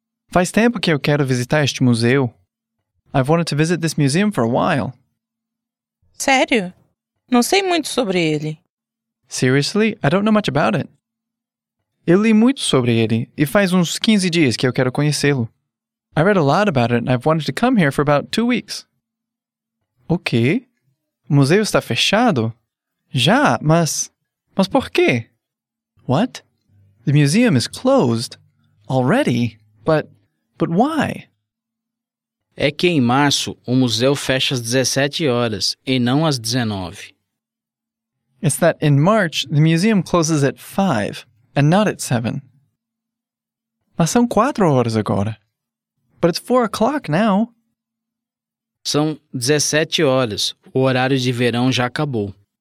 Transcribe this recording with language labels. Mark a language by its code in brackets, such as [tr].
[pt] Faz tempo que eu quero visitar este museu. [en] I've wanted to visit this museum for a while. [pt] Sério? Não sei muito sobre ele. [en] Seriously? I don't know much about it. [pt] Eu li muito sobre ele, e faz uns 15 dias que eu quero conhecê-lo. [en] I read a lot about it, and I've wanted to come here for about 2 weeks. [pt] Ok. O museu está fechado? Já, mas por quê? [en] What? The museum is closed? Already? But why? [pt] É que em março o museu fecha às 17 horas e não às 19. [en] It's that in March the museum closes at 5 and not at 7. [pt] Mas são 4 horas agora. [en] But it's 4 o'clock now. [pt] São 17 horas. O horário de verão já acabou.